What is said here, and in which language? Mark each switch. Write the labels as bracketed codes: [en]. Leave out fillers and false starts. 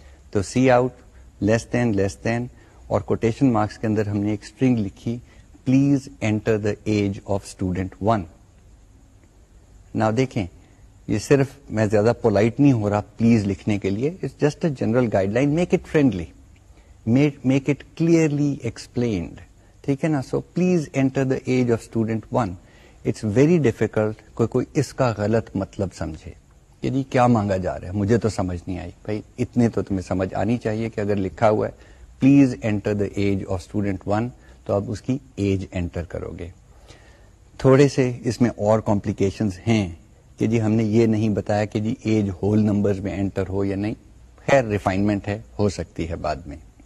[ur] تو C out less دین لیس دین اور quotation marks کے اندر ہم نے ایک سٹرنگ لکھی, please enter the age of student 1. Now دیکھیں یہ صرف میں زیادہ پولائٹ نہیں ہو رہا پلیز لکھنے کے لیے, it's just a general guide line, make it friendly, make it clearly explained, ٹھیک ہے نا. [en] So please enter the age of student 1. [ur] It's very difficult کوئی اس کا غلط مطلب سمجھے, یعنی کیا مانگا جا رہا ہے, مجھے تو سمجھ نہیں آئی. بھائی اتنے تو تمہیں سمجھ آنی چاہیے کہ اگر لکھا ہوا ہے please enter the age of student 1 تو آپ اس کی ایج انٹر کرو گے. تھوڑے سے اس میں اور کمپلیکیشنز ہیں کہ جی ہم نے یہ نہیں بتایا کہ جی ایج ہول نمبر میں انٹر ہو یا نہیں, خیر ریفائنمنٹ ہے, ہو سکتی ہے بعد میں.